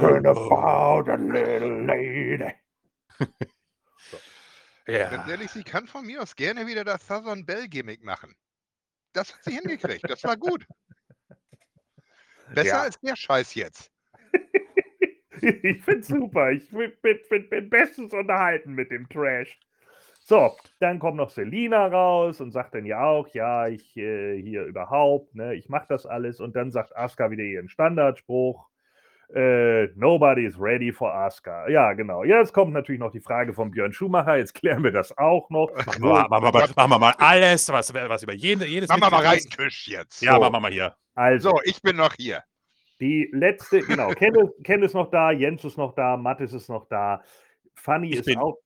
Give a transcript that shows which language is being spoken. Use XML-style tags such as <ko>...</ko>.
<en>Talking about a little lady.</en> <de>Ja. Ganz ehrlich, sie kann von mir aus gerne wieder das Southern Bell Gimmick machen. Das hat sie hingekriegt, das war gut. Besser als der Scheiß jetzt. Ich finde es super, ich bin bestens unterhalten mit dem Trash. So, dann kommt noch Selina raus und sagt dann ja auch, ja, ich hier überhaupt, ne, ich mache das alles. Und dann sagt Asuka wieder ihren Standardspruch.</de> <en>Nobody is ready for Asuka.</en> <de>Ja, genau. Jetzt kommt natürlich noch die Frage von Björn Schumacher. Jetzt klären wir das auch noch. Machen wir mal alles, was über jedes. Machen wir mal rein Tisch jetzt. Ja, so. Machen wir mal hier. Also, ich bin noch hier. Die letzte, genau. Ken ist noch da, Jens ist noch da, Mattis ist noch da. Fanny ist auch.</de>